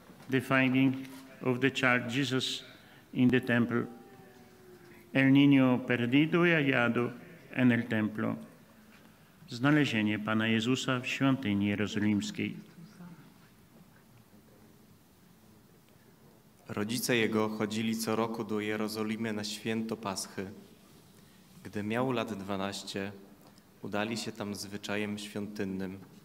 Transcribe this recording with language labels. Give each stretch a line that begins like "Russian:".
English: The finding of the child Jesus in the temple.
Spanish: El niño perdido y hallado en el templo.
Polish: Znalezienie Pana Jezusa w świątyni jerozolimskiej. Rodzice Jego chodzili co roku do Jerozolimy na święto Paschy. Gdy miał lat 12, udali się tam zwyczajem świątynnym.